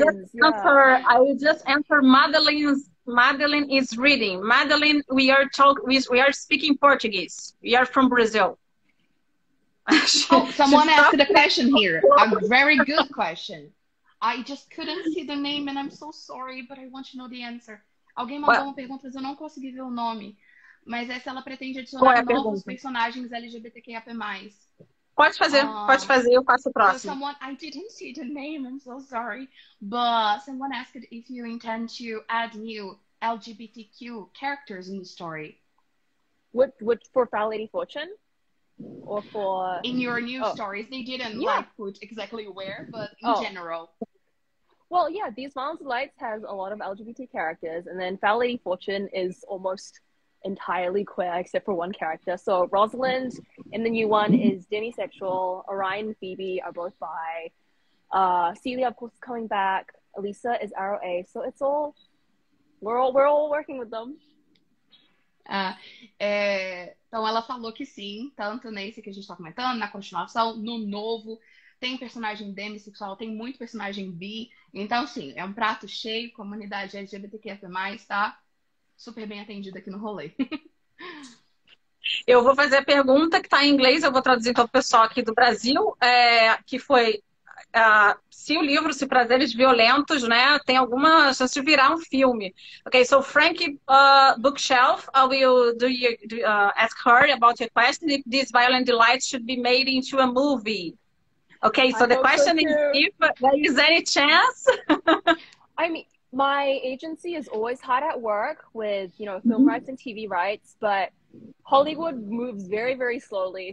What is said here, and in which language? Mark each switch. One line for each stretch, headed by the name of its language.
English: I will just answer. I will just answer. Madeline is reading. Madeline, we are speaking Portuguese. We are from Brazil. Someone asked a question here. A very good question. I just couldn't see the name, and I'm so sorry, but I want to know the answer.
Portuguese: Alguém mandou uma pergunta, mas eu não consegui ver o nome. Mas essa ela pretende adicionar novos personagens LGBTQIA+. Pode fazer, eu faço o próximo.
English: Someone, I didn't see the name, I'm so sorry. But someone asked if you intend to add new LGBTQ characters in the story. What for Foul Lady Fortune? Or for... In your new stories, they didn't like put exactly where, but in general. Well, yeah, These Violent Delights has a lot of LGBT characters, and then Foul Lady Fortune is almost entirely queer except for one character. So Rosalind in the new one is demisexual. Orion and Phoebe are both bi. Celia, of course, is coming back. Elisa is arrow A. So it's all, we're all working with them.
Portuguese: Então ela falou que sim, tanto nesse que a gente tá comentando, na continuação, no novo. tem personagem demissexual, tem muito personagem bi. Então, sim, é um prato cheio, comunidade LGBTQIA+, tá? Super bem atendida aqui no rolê. Eu vou fazer a pergunta que está em inglês, eu vou traduzir para o pessoal aqui do Brasil, que foi se o livro, se Prazeres Violentos, né, tem alguma chance de virar um filme.
English: Okay, so Frankie Bookshelf, I will do you, ask her about your question if this violent delight should be made into a movie. Okay, so the question is if there is any chance. I mean, my agency is always hot at work with, you know, film rights and TV rights, but Hollywood moves very, very slowly.